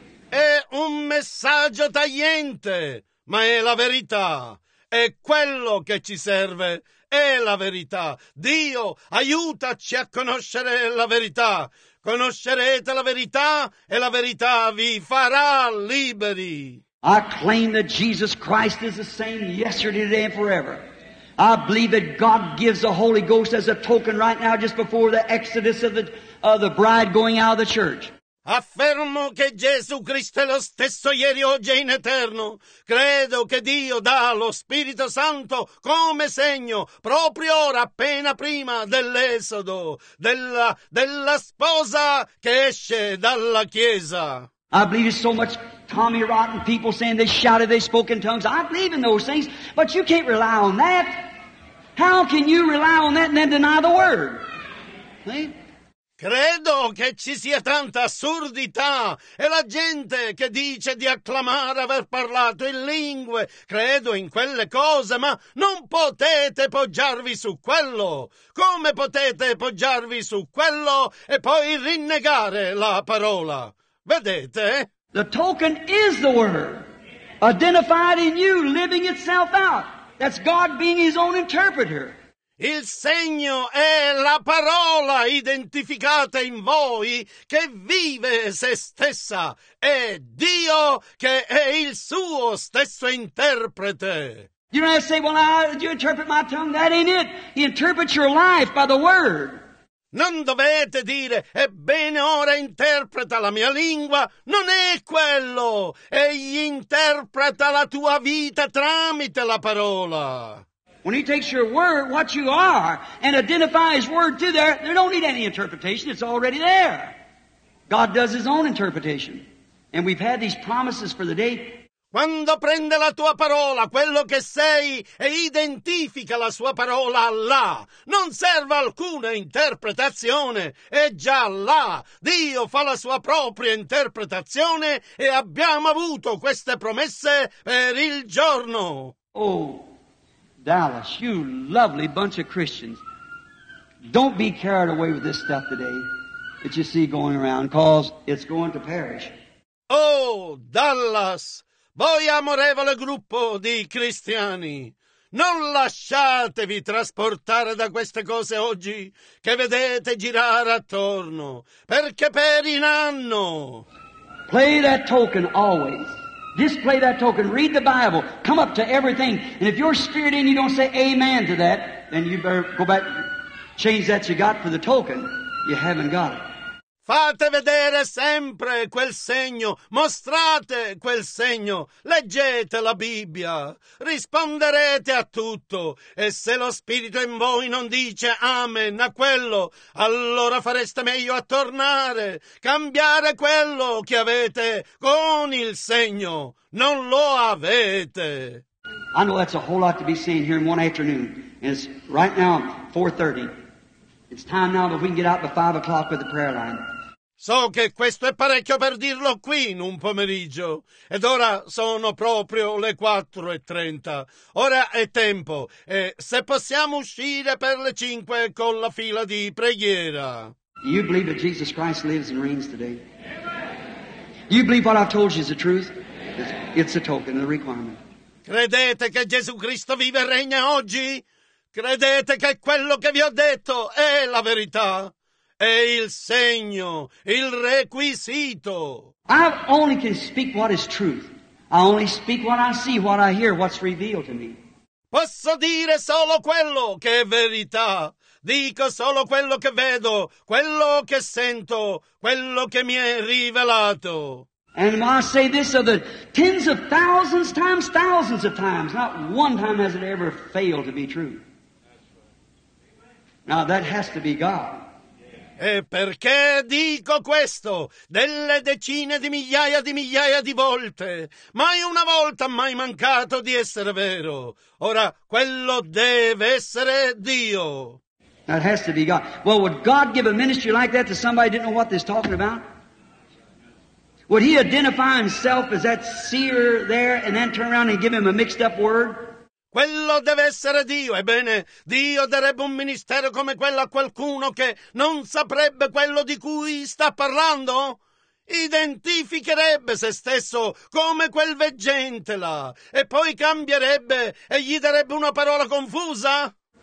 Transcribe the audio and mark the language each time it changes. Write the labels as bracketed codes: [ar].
[it] È un messaggio tagliente, ma è la verità. È quello che ci serve, è la verità. Dio, aiutaci a conoscere la verità. Conoscerete la verità, e la verità vi farà liberi. [en] I claim that Jesus Christ is the same yesterday, today, and forever. I believe that God gives the Holy Ghost as a token right now just before the exodus of the bride going out of the church. [it] Affermo che Gesù Cristo è lo stesso ieri, oggi e in eterno. Credo che Dio dà lo Spirito Santo come segno proprio ora, appena prima dell'esodo, della sposa che esce dalla Chiesa. [en] I believe it's so much Tommy Rotten people saying they shouted, they spoke in tongues. I believe in those things, but you can't rely on that. How can you rely on that and then deny the Word? See? [it] Credo che ci sia tanta assurdità e la gente che dice di acclamare aver parlato in lingue. Credo in quelle cose, ma non potete poggiarvi su quello. Come potete poggiarvi su quello e poi rinnegare la parola? Vedete? [en] The token is the Word, identified in you, living itself out. That's God being his own interpreter. [it] Il segno è la parola identificata in voi che vive se stessa. È Dio che è il suo stesso interprete. [en] You don't have to say, well, you interpret my tongue. That ain't it. He interprets your life by the Word. [it] Non dovete dire, ebbene ora interpreta la mia lingua, non è quello, egli interpreta la tua vita tramite la parola. [en] When he takes your word, what you are, and identifies word to there, there don't need any interpretation, it's already there. God does his own interpretation, and we've had these promises for the day. [it] Quando prende la tua parola, quello che sei, e identifica la sua parola là, non serve alcuna interpretazione, è già là. Dio fa la sua propria interpretazione e abbiamo avuto queste promesse per il giorno. [en] Oh, Dallas, you lovely bunch of Christians. Don't be carried away with this stuff today that you see going around, cause it's going to perish. Oh, Dallas! [it] Voi amorevole gruppo di cristiani, non lasciatevi trasportare da queste cose oggi che vedete girare attorno, perché periranno. [en] Play that token always. Display that token. Read the Bible. Come up to everything. And if your spirit in you don't say amen to that, then you better go back, change that you got for the token. You haven't got it. [it] Fate vedere sempre quel segno, mostrate quel segno, leggete la Bibbia, risponderete a tutto. E se lo Spirito in voi non dice amen a quello, allora fareste meglio a tornare, cambiare quello che avete con il segno. Non lo avete. [en] I know that's a whole lot to be seen here in one afternoon. It's right now 4:30. It's time now that we can get out by 5:00 for the prayer line. [it] So che questo è parecchio per dirlo qui in un pomeriggio, ed ora sono proprio le 4:30. Ora è tempo, e se possiamo uscire per le 5 con la fila di preghiera. [en] You believe that Jesus Christ lives and reigns today? You believe what I've told you is the truth? It's a token, a requirement. [it] Credete che Gesù Cristo vive e regna oggi? Credete che quello che vi ho detto è la verità? È il segno, il requisito. [en] I only can speak what is truth. I only speak what I see, what I hear, what's revealed to me. [it] Posso dire solo quello che è verità. Dico solo quello che vedo, quello che sento, quello che mi è rivelato. [en] And I say this of the tens of thousands times thousands of times. Not one time has it ever failed to be true. Now that has to be God. [it] E perché dico questo? Delle decine di migliaia di volte. Mai una volta mai mancato di essere vero. Ora, quello deve essere Dio. [en] That has to be God. Well, would God give a ministry like that to somebody who didn't know what they're talking about? Would he identify himself as that seer there and then turn around and give him a mixed up word? [it] Quello deve essere Dio. Ebbene, Dio darebbe un ministero come quello a qualcuno che non saprebbe quello di cui sta parlando? Identificherebbe se stesso come quel veggente là e poi cambierebbe e gli darebbe una parola confusa?